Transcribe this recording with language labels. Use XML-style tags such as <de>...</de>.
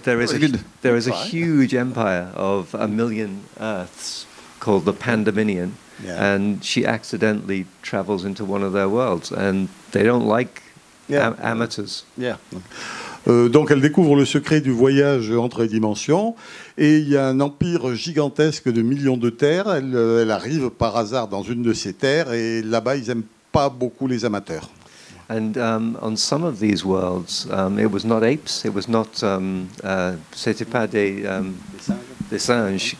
<en>There is a huge empire of a million Earths called the Pandominion, yeah. And she accidentally travels into one of their worlds, and they don't like amateurs. Yeah.</en> <fr>Donc elle découvre le secret du voyage entre les dimensions, et il y a un empire gigantesque de millions de terres. Elle arrive par hasard dans une de ces terres, et là-bas ils aiment pas beaucoup les amateurs.</fr> <en>And on some of these worlds, it was not apes, it was not,</en> <fr>c'était pas des singes</fr>